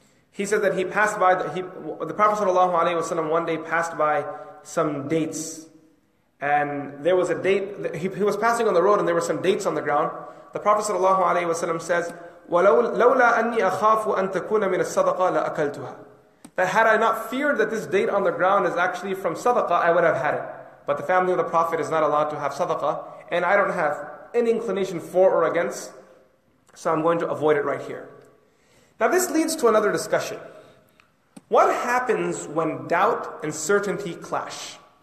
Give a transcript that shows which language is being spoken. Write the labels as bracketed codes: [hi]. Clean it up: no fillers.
[en] He says that he passed by, the Prophet sallallahu alayhi wa sallam one day passed by some dates. And there was a date, he was passing on the road and there were some dates on the ground. The Prophet sallallahu alayhi wa sallam says, [ar] وَلَوْلَا أَنِّي أَخَافُ أَن تَكُونَ مِنَ الصَّدَقَةَ لَأَكَلْتُهَا. [en] That had I not feared that this date on the ground is actually from sadaqah, I would have had it. But the family of the Prophet is not allowed to have sadaqah, and I don't have any inclination for or against, so I'm going to avoid it right here. Now this leads to another discussion. What happens when doubt and certainty clash?